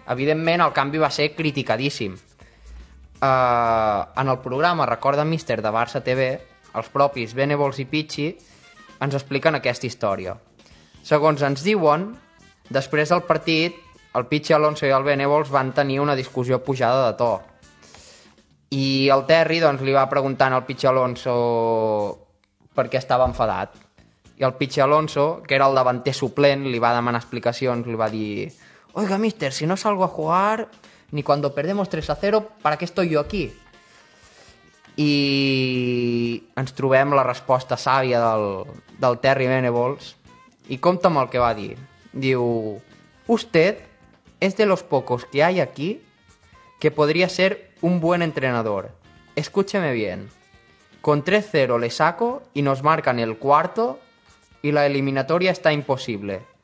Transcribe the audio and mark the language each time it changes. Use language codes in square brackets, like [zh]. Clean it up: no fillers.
[ca] Evidentment, el canvi va ser criticadíssim. En el programa Recorda Mister de Barça TV, els propis Venables i Pichi ens expliquen aquesta història. Segons ens diuen, després del partit, el Pichi, Alonso i el Venables van tenir una discussió pujada de to. I el Terry doncs, li va preguntant al Pichi Alonso per què estava enfadat. I el Pichi Alonso, que era el davanter suplent, li va demanar explicacions, li va dir: [es] oiga, mister, si no salgo a jugar, ni cuando perdemos 3-0, ¿para qué estoy yo aquí? [ca] I ens trobem la resposta sàvia del Terry Venables i compta amb el que va dir. [es] Diu: usted es de los pocos que hay aquí que podría ser un buen entrenador. Escúcheme bien. Con 3-0 le saco y nos marcan el cuarto y la eliminatoria está imposible.